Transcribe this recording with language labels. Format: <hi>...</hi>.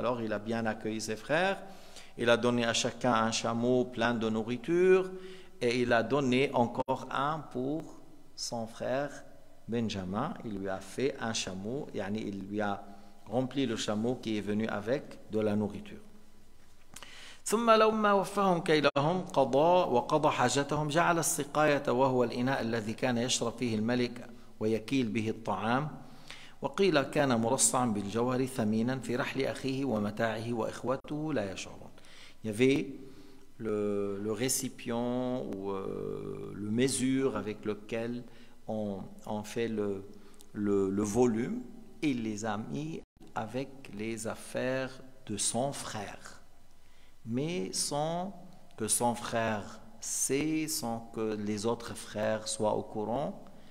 <fr>Alors il a bien accueilli ses frères. Il a donné à chacun un chameau plein de nourriture et il a donné encore un pour son frère Benjamin. Il lui a fait un chameau, yani il lui a rempli le chameau qui est venu avec de la nourriture.</fr> <ar>ثم لما وفاهم كيلهم قضى وقضى حاجتهم جعل السقاية وهو الإناء الذي كان يشرب فيه الملك ويكيل به الطعام وقيل كان مرصعا بالجوهر ثمينا في رحل أخيه ومتاعه وإخوته لا يشعر.</ar> <fr>Il y avait le récipient ou le mesure avec lequel on fait le volume. Il les a mis avec les affaires de son frère. Mais sans que son frère sait, sans que les autres frères soient au courant.</fr>